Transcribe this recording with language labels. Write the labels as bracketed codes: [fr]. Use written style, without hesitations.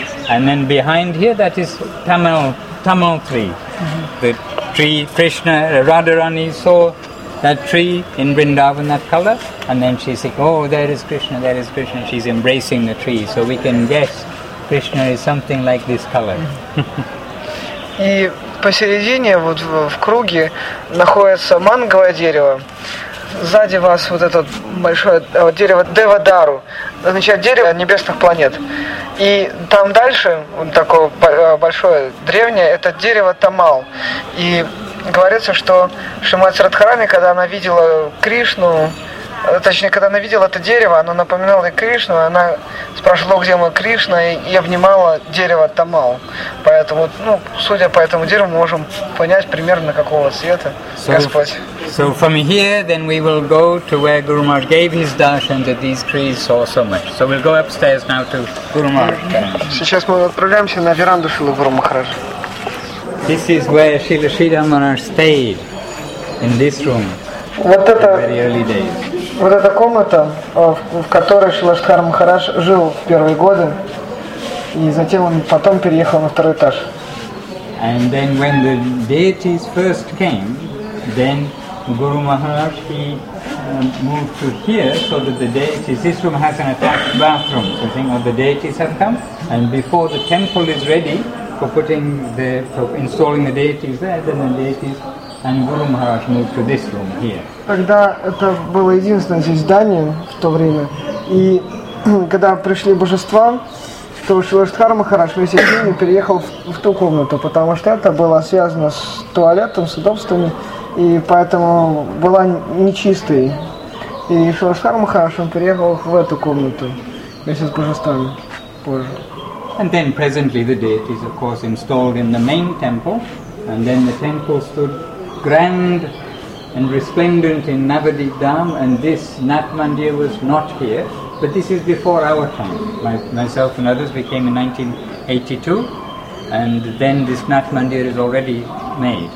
[en] And then behind here, that is Tamal tree, the tree Krishna, Radharani saw that tree in Vrindavan, that color, and then she said, oh, there is Krishna, she's embracing the tree, so we can guess Krishna is something like this color. [ru] И посередине, вот в круге, находится манговое дерево. Сзади вас вот это большое дерево Девадару, означает дерево небесных планет. И там дальше, такое большое, древнее, это дерево Тамал. И говорится, что Шримати Радхарани, когда она видела Кришну, точнее, когда она видела это дерево, оно напоминало ей Кришну, она спрашивала, где мой Кришна, и обнимала дерево Тамал. Поэтому, ну, судя по этому дереву, мы можем понять примерно какого цвета Господь. [en] So from here, then we will go to where Guru Maharaj gave his darshan that these trees saw so much. So we'll go upstairs now to Guru Maharaj. [ru] Сейчас мы отправляемся на веранду Шрилы Гуру Махараджа. [en] This is where Шрила Шридхар Махарадж stayed, in this room. [ru] Вот это, [en] very early days. [ru] Вот эта комната, в которой Шрила Шридхар Махарадж жил в первые годы, и затем он потом переехал на второй этаж. [en] And then when the deities first came, then Guru Maharaj he moved to here so that the deities, this room has an attached bathroom, so I think all the deities have come, and before the temple is ready for putting the, for installing the deities there, then the deities and Guru Maharaj moved to this room here. [ru] Тогда это было единственное здесь здание в то время, и когда пришли божества, то Шрила Шридхар Махарадж вместе с ними переехал в ту комнату, потому что это было связано с туалетом, с удобствами, и поэтому была нечистой. И Шрила Шридхар Махарадж переехал в эту комнату вместе с божествами позже. [en] And then presently the deities, of course, installed in the main temple, and then the temple stood grand and resplendent in Navadvip Dham, and this Nath Mandir was not here, but this is before our time. Myself and others became in 1982, and then this Nath Mandir is already made.